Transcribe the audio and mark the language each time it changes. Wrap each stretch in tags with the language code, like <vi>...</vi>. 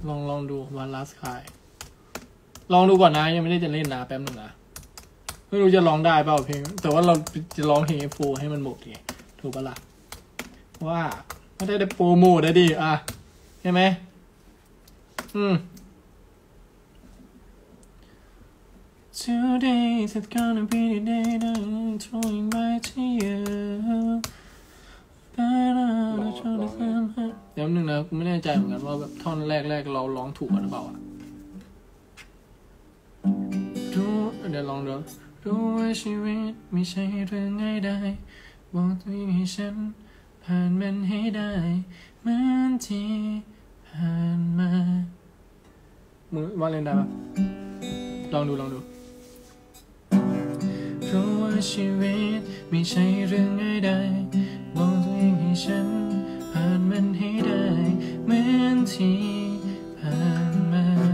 <th>ลองดู One Last Cry ลองดูก่อนนะยังไม่ได้จะเล่นนะแป๊บนึงนะไม่รู้จะลองได้เปล่าเพลงแต่ว่าเราจะลองเพลง F4 ให้มันหมดไงถูกปะล่ะว่าไม่ได้โปรโมทได้ดิอ่ะใช่ไหม</th> <en>Today is gonna be the day that I'm throwing back to you. But I'm not trying to somehow.</en> <th>แป๊บนึงนะกูไม่แน่ใจเหมือนกันว่าแบบท่อนแรกๆเราร้องถูกหรือเปล่าอ่ะ ดูเดี๋ยวลองดูรู้ว่าชีวิตไม่ใช่เรื่องง่ายได้บอกตัวเองให้ฉันผ่านมันให้ได้เหมือนที่ผ่านมามึงว่าเล่นได้ป่ะลองดูเพราะว่าชีวิตไม่ใช่เรื่องง่ายใดบอกตัวเองให้ฉันผ่านมันให้ได้เหมือนที่ผ่านมา</th>